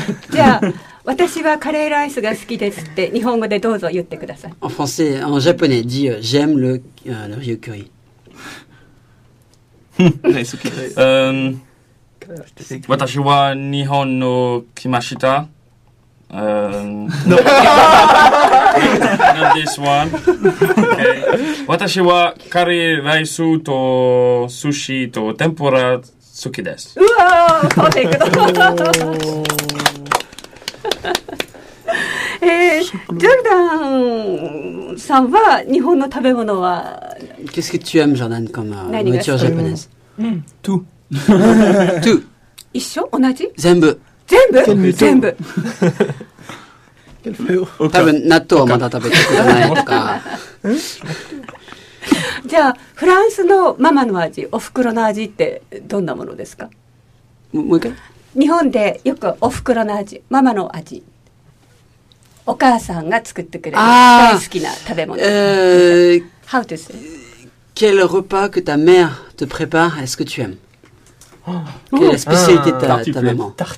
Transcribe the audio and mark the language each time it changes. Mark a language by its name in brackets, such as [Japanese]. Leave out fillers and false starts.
[Japanese] じゃあ、私はカレーライスが好きですって日本語でどうぞ言ってください。 [French] En français, en japonais, dis j'aime le riz au curry. [English] Nice. [Japanese] 私は日本の来ました。 [English] Not this one. Okay. [Japanese] 私はカレーライスと寿司と天ぷら好きです。うわー、パーフェクト。ジョルダンさんは日本の食べ物は [French] Qu'est-ce que tu aimes, Jordan, comme nourriture japonaise? Tout. Tout. [Japanese] 一緒？同じ？全部。多分納豆はまだ食べてくれないとか。じゃあフランスのママの味、お袋の味ってどんなものですか？もう一回。日本でよくお袋の味、ママの味。お母さんが作ってくれる大好きな食べ物。 [English] How to say? [French] Quel repas que ta mère te prépare est-ce que tu aimes? Quelle spécialité de ta maman?